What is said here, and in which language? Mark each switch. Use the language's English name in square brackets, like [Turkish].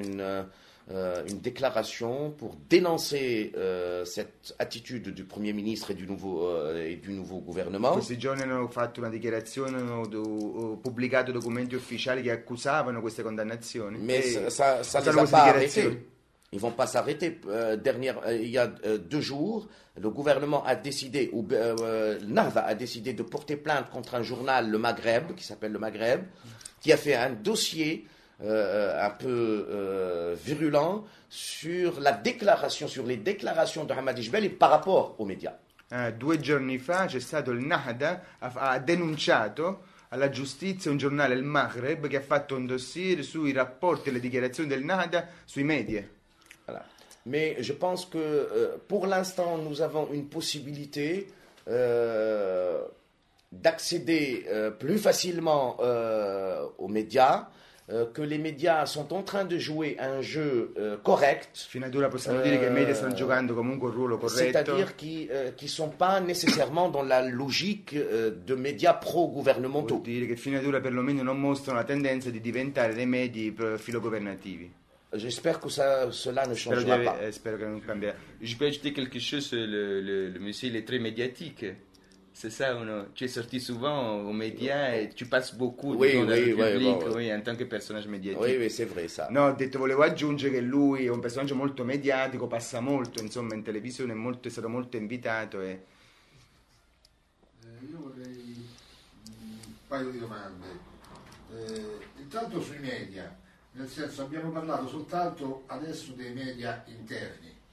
[French] Ils ont sorti il y a quelques jours une déclaration pour dénoncer cette attitude du Premier ministre et du nouveau gouvernement. [Italian] Questi giorni hanno fatto una dichiarazione, hanno pubblicato documenti ufficiali che accusavano queste condannazioni. [French] Mais ça les a pas arrêtés. Ils vont pas s'arrêter. Il y a deux jours, le gouvernement a décidé, Nahda a décidé de porter plainte contre un journal, Le Maghreb, qui s'appelle Le Maghreb, qui a fait un dossier un peu virulent sur la déclaration, sur les déclarations de Hamad Djebeli par rapport aux médias. [Italian] Due giorni fa c'è stato il Nahda, ha denunciato alla giustizia un giornale, il Maghreb, che ha fatto un dossier sui rapporti e le dichiarazioni del Nahda sui media. [French] Voilà. Mais je pense que pour l'instant nous avons une possibilité d'accéder plus facilement aux médias. Que les médias sont en train de jouer un jeu correct. [Italian] Fino ad ora possiamo dire che i media stanno giocando comunque un ruolo corretto. [French] C'est-à-dire qui sont pas nécessairement dans la logique de médias pro-gouvernementaux. [Italian] Vuol dire che fino ad ora perlomeno non mostrano la tendenza di diventare dei media filogovernativi. [French] J'espère que cela ne changera pas. [Italian] Spero che non cambierà. [French] Je peux ajouter quelque chose, le monsieur est très médiatique. C'est ça, ou non? Tu es sorti souvent aux médias et tu passes beaucoup dans le public, en tant que personnage médiatique. Oui, c'est vrai ça. [Italian] Non, ho detto, volevo aggiungere che lui è un personaggio molto mediatico, passa molto, insomma, in televisione, è stato molto invitato. E... Io vorrei un paio di domande. Intanto sui media, nel senso abbiamo parlato soltanto adesso dei media interni.